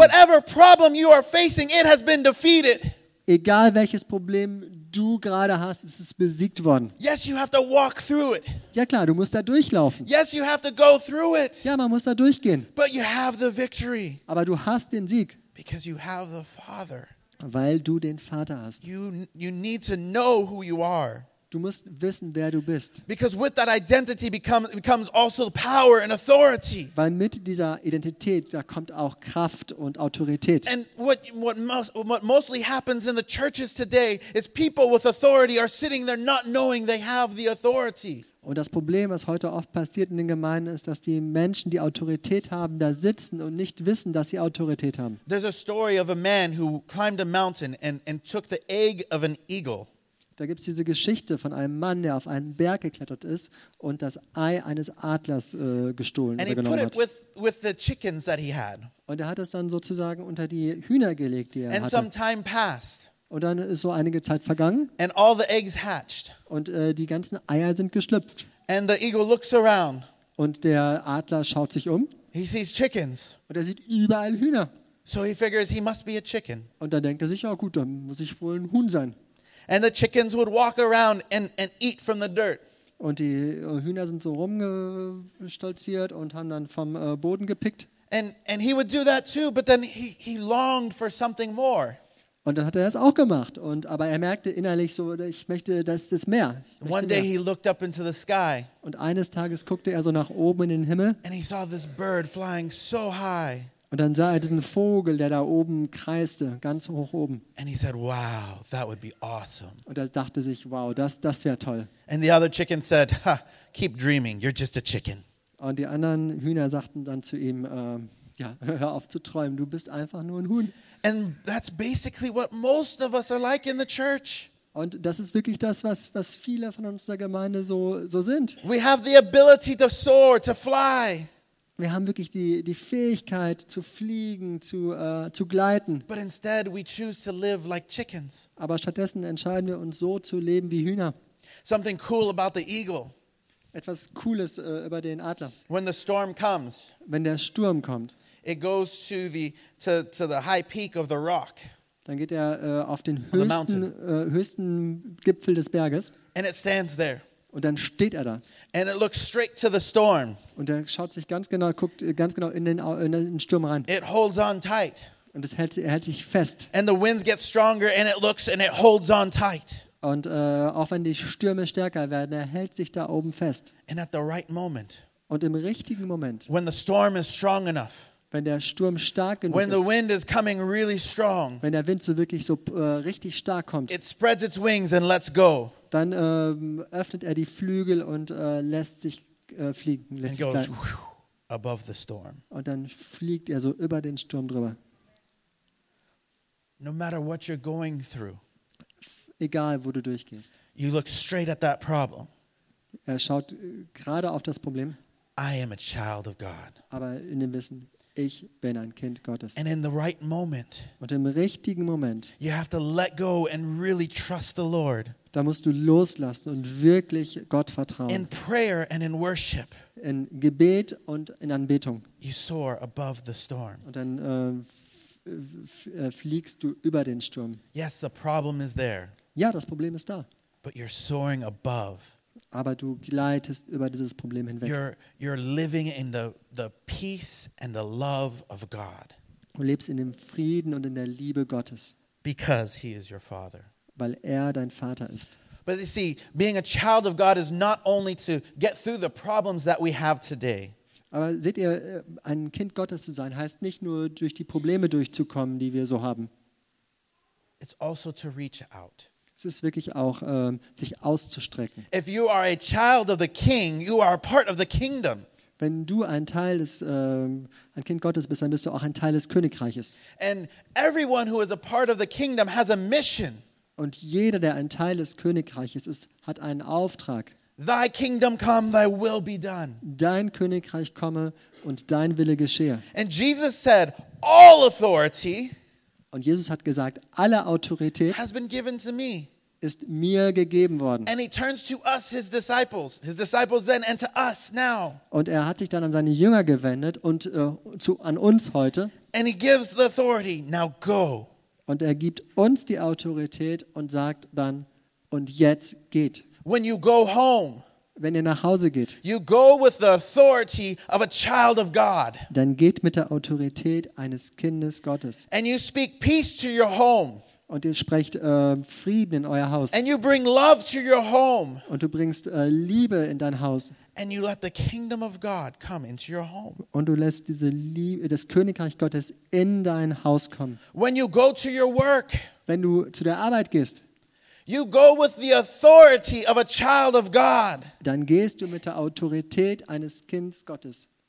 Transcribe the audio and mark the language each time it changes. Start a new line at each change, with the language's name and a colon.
English: Whatever problem you are facing, it has been defeated.
German: Egal welches Problem du gerade hast, ist es besiegt worden.
English: Yes, you have to walk through it.
German: Ja klar, du musst da durchlaufen.
English: Yes, you have to go through it.
German: Ja, man muss da durchgehen.
English: But you have the victory.
German: Aber du hast den Sieg.
English: Because you have the Father.
German: Weil du den Vater hast.
English: You need to know who you are.
German: Du musst wissen, wer du bist.
English: Because with that identity becomes also the power and authority.
German: Weil mit dieser Identität da kommt auch Kraft und Autorität.
English: And what mostly happens in the churches today is people with authority are sitting there not knowing they have the authority.
German: Und das Problem, was heute oft passiert in den Gemeinden, ist, dass die Menschen, die Autorität haben, da sitzen und nicht wissen, dass sie Autorität haben.
English: There's a story of a man who climbed a mountain and took the egg of an eagle.
German: Da gibt es diese Geschichte von einem Mann, der auf einen Berg geklettert ist und das Ei eines Adlers gestohlen oder genommen hat.
English: With the chickens that he had.
German: Und er hat es dann sozusagen unter die Hühner gelegt, die er
English: and
German: hatte.
English: Some time passed.
German: Und dann ist so einige Zeit vergangen.
English: And all the eggs hatched.
German: Und die ganzen Eier sind geschlüpft.
English: And the eagle looks around.
German: Und der Adler schaut sich um.
English: He sees chickens.
German: Und er sieht überall Hühner.
English: So he figures he must be a chicken.
German: Und dann denkt er sich, ja gut, dann muss ich wohl ein Huhn sein.
English: And the chickens would walk around and eat from the dirt.
German: Und die Hühner sind so rumgestolziert und haben dann vom Boden gepickt.
English: And he would do that too, but then he longed for something more.
German: Und dann hat er das auch gemacht und aber er merkte innerlich so, ich möchte das mehr.
English: One day he looked up into the sky.
German: Und eines Tages guckte er so nach oben in den Himmel.
English: And he saw this bird flying so high.
German: Und dann sah er diesen Vogel, der da oben kreiste, ganz hoch oben.
English: And he said, wow, that would be awesome.
German: Und er dachte sich, wow, das wäre toll.
English: And the other chicken said, ha, keep dreaming, you're just a chicken.
German: Und die anderen Hühner sagten dann zu ihm, ja, hör auf zu träumen, du bist einfach nur ein Huhn.
English: And that's basically what most of us are like in the church.
German: Und das ist wirklich das, was viele von uns in der Gemeinde so sind.
English: We have the ability to soar, to fly.
German: Wir haben wirklich die Fähigkeit zu fliegen, zu gleiten.
English: But instead we choose to live like chickens.
German: Aber stattdessen entscheiden wir uns so zu leben wie Hühner.
English: Something cool about the eagle.
German: Etwas Cooles über den Adler.
English: When the storm comes.
German: Wenn der Sturm kommt.
English: It goes to the high peak of the rock.
German: Dann geht er auf den höchsten Gipfel des Berges.
English: And it stands there.
German: Und dann steht er da.
English: And it looks straight to the storm.
German: Und er schaut sich ganz genau, guckt ganz genau in den Sturm rein.
English: It holds on tight.
German: Und er hält sich fest.
English: And the winds get stronger and it looks and it holds on tight.
German: Und auch wenn die Stürme stärker werden, er hält sich da oben fest.
English: And at the right moment.
German: Und im richtigen Moment.
English: When the storm is strong enough.
German: Wenn der Sturm stark genug ist.
English: When the wind is coming really strong.
German: Wenn der Wind so wirklich so richtig stark kommt.
English: It spreads its wings and lets go.
German: Dann öffnet er die Flügel und lässt sich fliegen. Lässt sich
English: goes, above the storm.
German: Und dann fliegt er so über den Sturm drüber.
English: No matter what you're going through,
German: egal, wo du durchgehst.
English: You look straight at that problem.
German: Er schaut gerade auf das Problem.
English: I am a child of God.
German: Aber in dem Wissen, ich bin ein Kind Gottes.
English: And in the right moment,
German: und im richtigen Moment,
English: you have to let go and really trust the Lord.
German: Da musst du loslassen und wirklich Gott vertrauen.
English: In prayer and in worship,
German: in Gebet und in Anbetung.
English: You soar above the storm.
German: Und dann fliegst du über den Sturm.
English: Yes, the problem is there.
German: Ja, das Problem ist da.
English: But you're soaring above.
German: Aber du gleitest über dieses Problem hinweg.
English: You're living in the peace and the love of God.
German: Du lebst in dem Frieden und in der Liebe Gottes.
English: Because he is your father.
German: Weil er dein Vater ist.
English: But you see, being a child of God is not only to get through the problems that we have today.
German: Aber seht ihr, ein Kind Gottes zu sein heißt nicht nur durch die Probleme durchzukommen, die wir so haben.
English: It's also to reach out.
German: Es ist wirklich auch sich auszustrecken.
English: If you are a child of the King, you are part of the kingdom.
German: Wenn du ein Teil des ein Kind Gottes bist, dann bist du auch ein Teil des Königreiches.
English: And everyone who is a part of the kingdom has a mission.
German: Und jeder, der ein Teil des Königreiches ist, hat einen Auftrag.
English: Thy kingdom come, thy will be done.
German: Dein Königreich komme und dein Wille geschehe.
English: And Jesus said, all authority.
German: Und Jesus hat gesagt, alle Autorität
English: has been given to me.
German: Ist mir gegeben worden.
English: And he turns to us, his disciples then and to us now.
German: Und er hat sich dann an seine Jünger gewendet und an uns heute.
English: And he gives the authority, now go.
German: Und er gibt uns die Autorität und sagt dann, und jetzt geht.
English: When you go home,
German: wenn ihr nach Hause geht,
English: you go with the authority of a child of God.
German: Dann geht mit der Autorität eines Kindes Gottes.
English: And you speak peace to your home.
German: Und ihr sprecht Frieden in euer Haus.
English: And you bring love to your home.
German: Und du bringst Liebe in dein Haus.
English: And you let the kingdom of God come into your home.
German: Und du lässt diese Liebe, das Königreich Gottes in dein Haus kommen.
English: When you go to your work,
German: wenn du zu der Arbeit gehst,
English: you go with the authority of a child of God.
German: Dann gehst du mit der Autorität eines Kindes Gottes.